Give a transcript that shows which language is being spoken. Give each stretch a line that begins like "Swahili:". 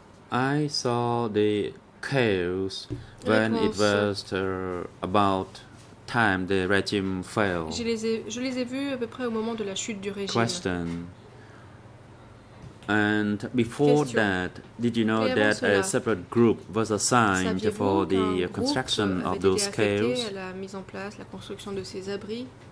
English: I saw the chaos when it was about time the regime fell.
French: Je les ai vus à peu près au moment de la chute du régime.
English: Question. And before question. That, did you know that
French: cela,
English: a separate group was assigned for the construction of those caves?
French: À la mise en place, la construction de ces abris.